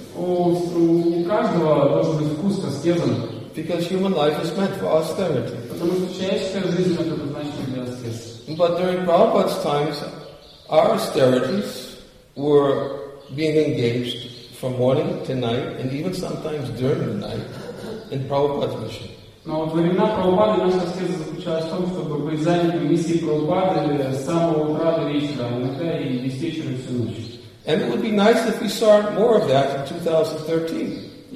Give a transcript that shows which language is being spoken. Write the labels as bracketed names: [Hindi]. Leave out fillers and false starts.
[Russian] У каждого должен быть вкус к аскезам. [English] Because human life is meant for austerity. [Russian] Потому что человеческая жизнь это предназначена для аскез. [English] But during Prabhupada's times, our austerities were being engaged from morning to night, and even sometimes during the night, in Prabhupada's mission. [Russian] Но во времена Прабхупады наша аскеза заключалась в том, чтобы быть занятым миссией Прабхупады с самого утра до вечера, иногда и весь вечер и всю ночь. [English] And it would be nice if we saw more of that in 2013.